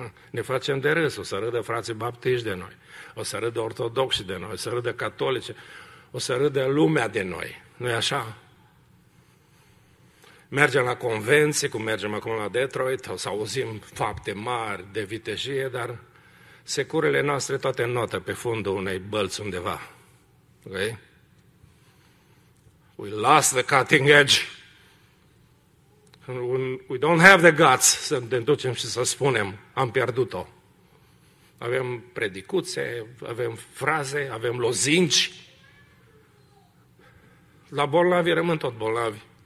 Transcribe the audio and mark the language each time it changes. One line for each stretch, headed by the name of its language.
Romanian: Ne facem de râs, o să râdă frații baptiști de noi, o să râdă ortodoxi de noi, o să râdă catolici, o să râdă lumea de noi. Nu-i așa? Mergem la convenții, cum mergem acum la Detroit, o să auzim fapte mari de vitejie, dar securele noastre toate notă pe fundul unei bălți undeva.
English: Okay. We lost the cutting edge. We don't have the guts
Romanian: să ne ducem și să spunem, am pierdut-o. Avem predicuțe, avem fraze, avem lozinci. La bolnavi rămân tot bolnavi.